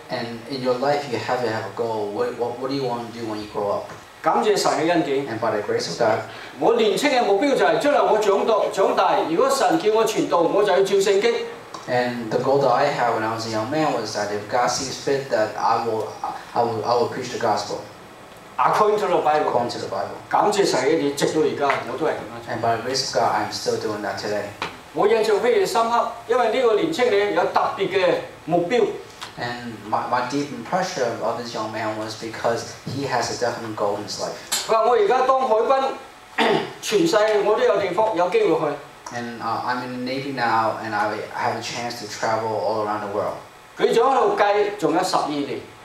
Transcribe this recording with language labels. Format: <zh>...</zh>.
<en>？And in your life, you have to have a goal. What do you want to do when you grow up?</en> <yue>感謝神嘅恩典。</yue> <en>By the grace of God,</en> <yue>我年青嘅目標就係將來我長大，如果神叫我傳道，我就要照聖經。</yue> <en>And the goal that I had when I was a young man was that if God sees fit, that I will preach the gospel. According to the Bible. According to the Bible.</en> <yue>感謝神嘅恩典，直到而家我都係咁樣。</yue> <en>And by the grace of God, I'm still doing that today.</en> <yue>我印象非常深刻，因為呢個年青人有特別嘅目標。</yue> <en>And my deep impression of this young man was because he has a definite goal in his life.</en> <yue>佢話：我而家當海軍，全世界我都有地方有機會去。</yue> <en>And I'm in the Navy now, and I have a chance to travel all around the world.</en> <yue>佢仲喺度計，仲有12年。</yue>